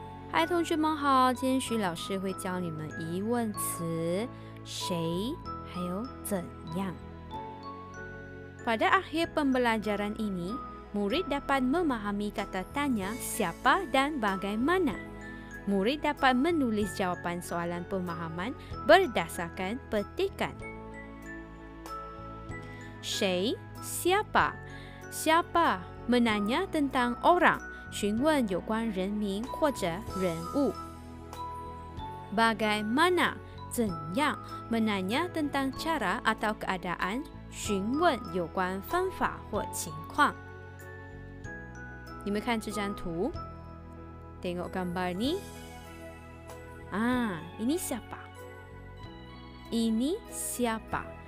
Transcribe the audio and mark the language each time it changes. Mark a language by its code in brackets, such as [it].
[zh] Hai, 同学们好, 今天徐老师会教你们疑问词 谁 还有怎样. [ms] Pada akhir pembelajaran ini, murid dapat memahami kata tanya siapa dan bagaimana. Murid dapat menulis jawapan soalan pemahaman berdasarkan petikan. Shei, siapa? Siapa? [zh] Menanya tentang orang, 询问有关人名或者人物. [ms] Bagaimana? 怎样? Menanya tentang cara atau keadaan, 询问有关方法或情况. [zh] 你们看这张图? Tengok gambar ni. [ms] Ini siapa? Ini siapa?